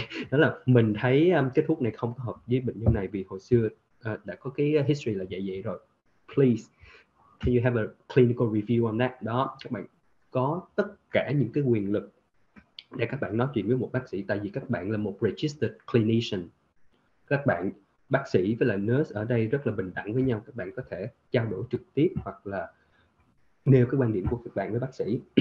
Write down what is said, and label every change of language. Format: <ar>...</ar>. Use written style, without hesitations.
<vi>Đó là mình thấy cái thuốc này không hợp với bệnh nhân này vì hồi xưa đã có cái history là vậy rồi.</vi> <en>Please, can you have a clinical review on that?</en> <vi>Đó, các bạn có tất cả những cái quyền lực để các bạn nói chuyện với một bác sĩ, tại vì các bạn là một registered clinician. Các bạn, bác sĩ với là nurse ở đây rất là bình đẳng với nhau, các bạn có thể trao đổi trực tiếp hoặc là nêu cái quan điểm của các bạn với bác sĩ.</vi>